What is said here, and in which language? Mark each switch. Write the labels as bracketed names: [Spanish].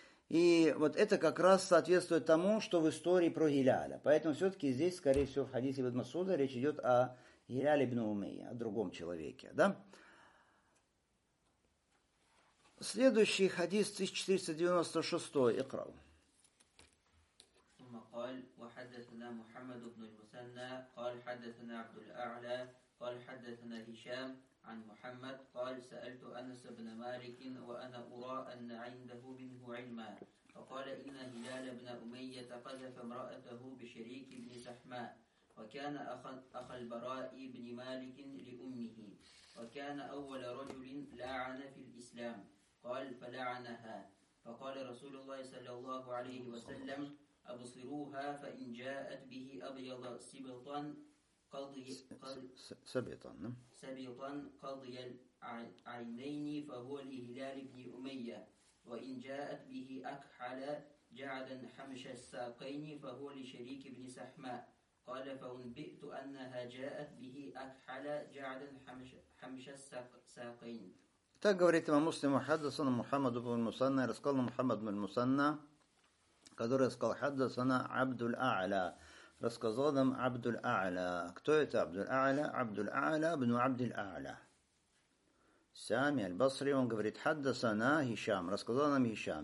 [Russian] И вот это как раз соответствует тому, что в истории про Гиляля. Поэтому все-таки здесь, скорее всего, в хадисе ибн Масуда речь идет о Гиляле ибн Умейе, о другом человеке. Да? Следующий хадис 1496-й, икрау. [Arabic] قال وحدثنا محمد بن المثنى قال حدثنا عبد الأعلى قال حدثنا هشام عن محمد قال سألت أنس بن مالك وأنا أرى أن عنده منه علما فقال إن هلال بن أمية قذف امرأته بشريك بن سحماء وكان أخ البراء بن مالك لأمه وكان أول رجل لعن في الإسلام قال فلعنها فقال رسول الله صلى الله عليه وسلم أبصروها فإن جاءت به أبيض سبطا قضي قضي العينين فهو لهلال بن أمية وإن جاءت به أكحل جعدا حمش الساقين فهو لشريك بن سحماء قال فأنبئت أنها جاءت به أكحل جعدا حمش الساقين. [Russian] Так говорит имам Муслим, хаддасана Мухаммад ибн аль-Мусанна, рассказал Мухаммад ибн аль-Мусанна, который сказал, хаддасана Абдул-А'ля, рассказал нам Абдул-А'ля. Кто это Абдул-А'ля? Абдул-А'ля, ибн Абдул-А'ля. Сами аль-Басри, он говорит, хаддасана Хишам, рассказал нам Хишам.